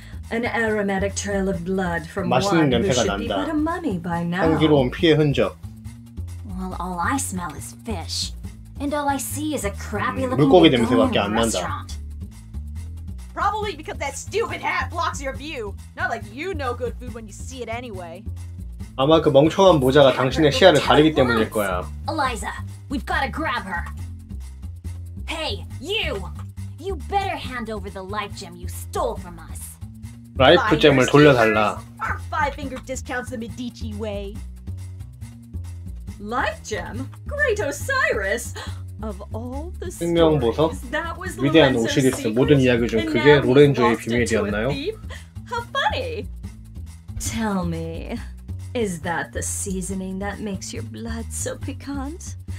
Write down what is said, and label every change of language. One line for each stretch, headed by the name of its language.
English: An aromatic trail of blood from one who should be but a mummy by now.
Korean: 향기로운 피의 흔적.
English: Well, all I smell is fish. And all I see is a crappy-looking restaurant.
Korean: 난다.
English: Probably because that stupid hat blocks your view. Not like you know good food when you see it anyway.
Korean: 아마 그 멍청한 모자가 당신의 시야를 가리기 때문일 거야.
English: Eliza, we've got to grab her. Hey, you! You better hand over the life gem you stole from us.
Korean: 라이프 잼을 돌려달라.
English: Our five-finger discounts the Medici way. Life gem? Great Osiris! Of all the stories,
Korean: 생명보석? 위대한 오시리스 모든 이야기 중 그게 로렌조의 비밀이었나요?
English: How funny! Tell me, is that the seasoning that makes your blood so piquant?